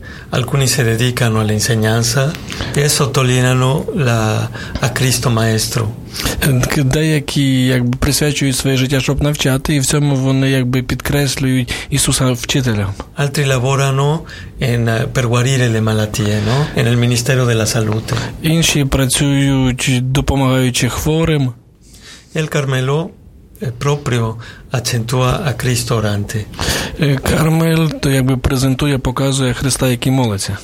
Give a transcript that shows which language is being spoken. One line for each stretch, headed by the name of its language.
Italian: Alcuni si dedicano all'insegnanza e sottolineano a Cristo Maestro.
Ukrainian: Деякі якби присвячують своє життя, щоб навчати, і в цьому вони якби підкреслюють Ісуса вчителя.
Italian: Altri lavorano per guarire le malattie, no? Nel Ministero della Salute.
Ukrainian: Інші працюють, допомагаючи хворим.
Italian: Il Carmelo proprio accentua a Cristo orante.
Ukrainian: Кармел то якби презентує, показує Христа, який молиться.